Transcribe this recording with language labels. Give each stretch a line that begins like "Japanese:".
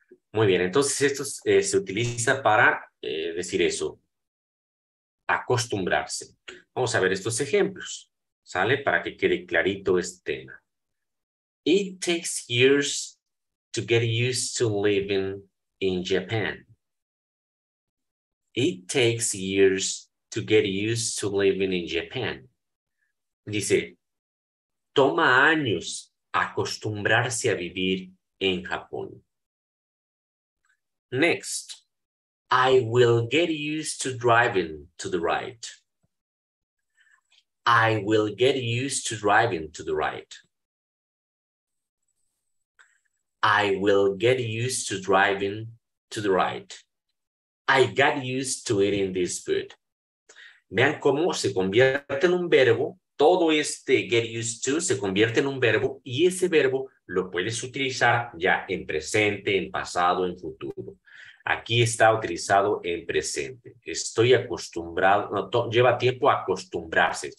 Spanish: Muy bien, entonces esto se utiliza para decir eso. Acostumbrarse. Vamos a ver estos ejemplos, ¿sale? Para que quede clarito este tema.
English: It takes years to get used to living in Japan. It takes years to get used to living in Japan.
Spanish: Dice, toma años acostumbrarse a vivir en Japón.
English: Next. I will get used to driving to the right. I will get used to driving to the right. I will get used to driving to the right. I got used to eating this food.
Spanish: Vean cómo se convierte en un verbo. Todo este get used to se convierte en un verbo y ese verbo lo puedes utilizar ya en presente, en pasado, en futuro. Aquí está utilizado en presente. Estoy acostumbrado, no, lleva tiempo acostumbrarse.